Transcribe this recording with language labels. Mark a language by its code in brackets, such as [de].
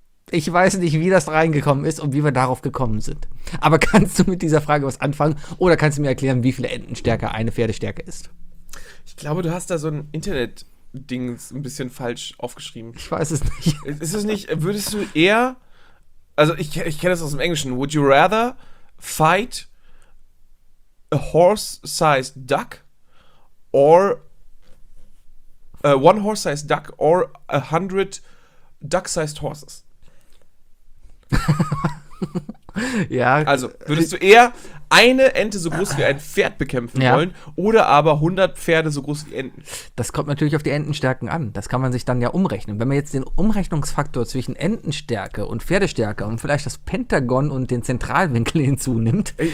[de] Ich weiß nicht, wie das reingekommen ist und wie wir darauf gekommen sind. Aber kannst du mit dieser Frage was anfangen oder kannst du mir erklären, wie viele Entenstärke eine Pferdestärke ist? Ich glaube, du hast da so ein Internet-Ding ein bisschen falsch aufgeschrieben. Ich weiß es nicht. Ist es nicht, würdest du eher. Also ich kenne das aus dem Englischen. [en] Would you rather fight a horse-sized duck or one horse-sized duck or 100 duck-sized horses? [de] Ja. Also würdest du eher eine Ente so groß wie ein Pferd bekämpfen wollen oder aber 100 Pferde so groß wie Enten? Das kommt natürlich auf die Entenstärken an. Das kann man sich dann ja umrechnen. Wenn man jetzt den Umrechnungsfaktor zwischen Entenstärke und Pferdestärke und vielleicht das Pentagon und den Zentralwinkel hinzunimmt.